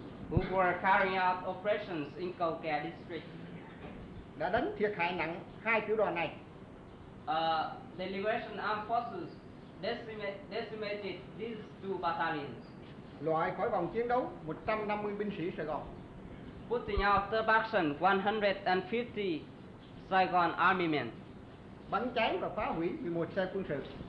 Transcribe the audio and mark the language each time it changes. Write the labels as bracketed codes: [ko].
[en] Who were carrying out operations in Cầu Kè district. [vi] Đã đánh thiệt hại nặng hai tiểu đoàn này. [en] The Liberation Armed Forces decimated these two battalions. [vi] Loại khỏi vòng chiến đấu 150 binh sĩ Sài Gòn. [en] Putting out the action 150 Saigon Army men. [vi] Bắn cháy và phá hủy 11 xe quân sự.